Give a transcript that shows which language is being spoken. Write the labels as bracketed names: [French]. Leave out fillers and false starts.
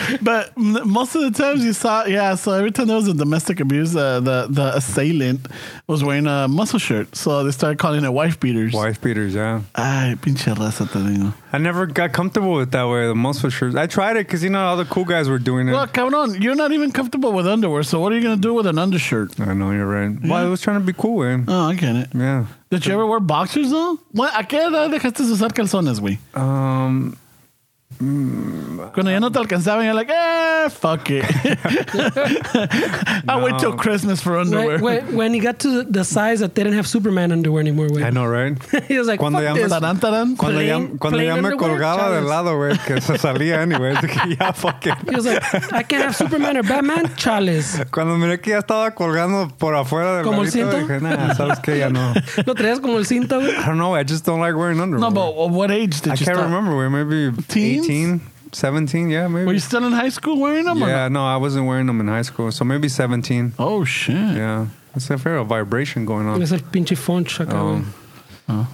[English] But most of the times you saw, yeah, so every time there was a domestic abuse, the assailant was wearing a muscle shirt. So they started calling it wife beaters. Wife beaters, yeah. [Spanish] Ay, pinche raza te digo. [English] I never got comfortable with that way, the muscle shirts. I tried it because, you know, all the cool guys were doing it. Well, come on. You're not even comfortable with underwear, so what are you going to do with an undershirt? I know, you're right. Yeah. Well, I was trying to be cool, man. Oh, I get it. Yeah. Did you ever wear boxers, though? [Spanish] ¿A qué edad dejaste de usar calzones, güey? Cuando ya no te alcanzaban, [English] you're like, fuck it. I wait till Christmas for underwear. When he got to the size that they didn't have Superman underwear anymore, wey. I know, right? He was like, cuando fuck this. [Spanish] Cuando ya me colgaba del lado, wey, que se salía anyway. [English] Yeah, fuck it. He was like, I can't have Superman or Batman, chales. [Spanish] Cuando miré que ya estaba colgando por afuera del ¿como el cinto? Dije, nah, sabes que ya no. ¿Lo traías como el cinto, wey? [English] I don't know, I just don't like wearing underwear. No, but what age did I can't start? Remember, wey, maybe 18, 17, yeah, maybe. Were you still in high school wearing them? Yeah, no, I wasn't wearing them in high school, so maybe 17. Oh, shit. Yeah. It's a fair vibration going on. It's a pinche funch.